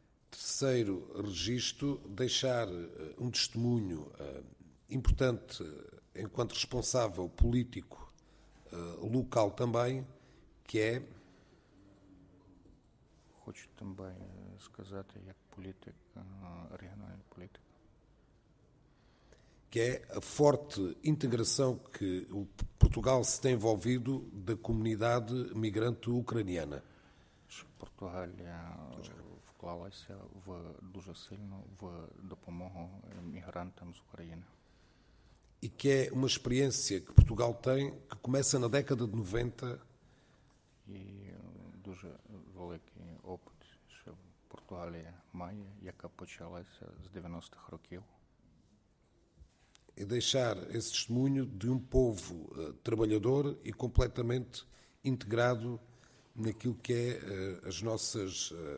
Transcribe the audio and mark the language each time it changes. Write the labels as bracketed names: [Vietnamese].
[Portuguese] Terceiro registro, deixar um testemunho importante enquanto responsável político local também, que é... [Ukrainian] Хочу também сказати, як політик, регіональний політик. [Portuguese] Que é a forte integração que o Portugal se tem envolvido da comunidade migrante ucraniana. Portugal é... [Ukrainian] вклалася в дуже сильно в допомогу мігрантам з України. [Portuguese] І que é uma experiência que Portugal tem, que começa na década de 90. [Ukrainian] І дуже великий опит, що Португалія має, яка почалася з 90-х років. [Portuguese] E deixar esse testemunho de um povo trabalhador e completamente integrado naquilo que é as nossas